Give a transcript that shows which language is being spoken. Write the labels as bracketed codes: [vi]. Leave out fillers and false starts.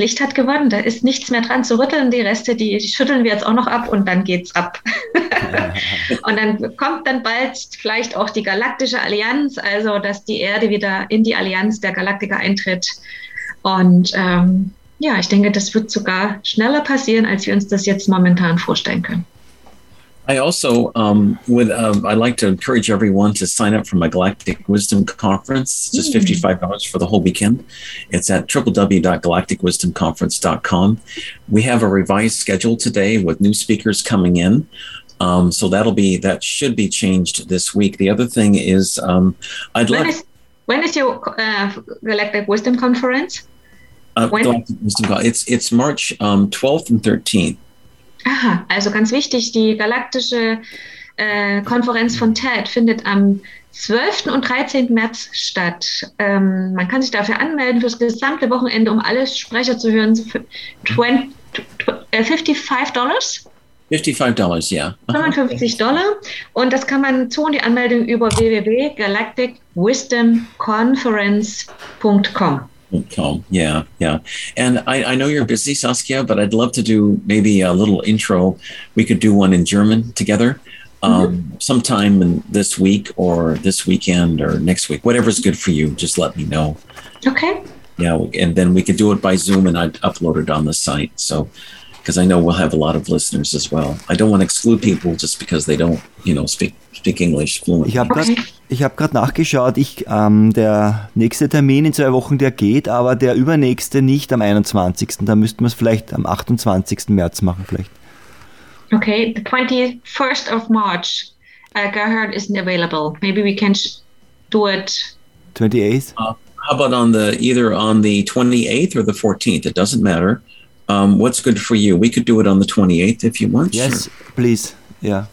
[de] Licht hat gewonnen, da ist nichts mehr dran zu rütteln. Die Reste, die schütteln wir jetzt auch noch ab und dann geht's ab. Und dann kommt dann bald vielleicht auch die Galaktische Allianz, also dass die Erde wieder in die Allianz der Galaktiker eintritt. Und ich denke, das wird sogar schneller passieren, als wir uns das jetzt momentan vorstellen können. [en] I also I'd like to encourage everyone to sign up for my Galactic Wisdom Conference. It's just $55 for the whole weekend. It's at www.galacticwisdomconference.com. We have a revised schedule today with new speakers coming in. So that should be changed this week. The other thing is When is your Galactic Wisdom Conference? It's March 12th and 13th. [de] Aha, also ganz wichtig, die galaktische Konferenz von Ted findet am 12. und 13. März statt. Man kann sich dafür anmelden fürs gesamte Wochenende, um alle Sprecher zu hören. [en] $55? [de] $55, ja. Yeah. [en] Uh-huh. $55. [de] Und das kann man tun, die Anmeldung über www.galacticwisdomconference.com. [en] Yeah. And I know you're busy, Saskia, but I'd love to do maybe a little intro. We could do one in German together sometime in this week or this weekend or next week, whatever's good for you. Just let me know. Okay. Yeah, and then we could do it by Zoom and I'd upload it on the site. So, because I know we'll have a lot of listeners as well. I don't want to exclude people just because they don't, you know, speak English fluently. [de] Ich habe gerade nachgeschaut, der nächste Termin in zwei Wochen, der geht, aber der übernächste nicht am 21. Da müssten wir es vielleicht am 28. März machen vielleicht. [en] Okay, the 21st of March. Gerhard isn't available. Maybe we can do it. 28th? How about either on the 28th or the 14th? It doesn't matter. What's good for you? We could do it on the 28th if you want. Yes, sure. Please. Yeah.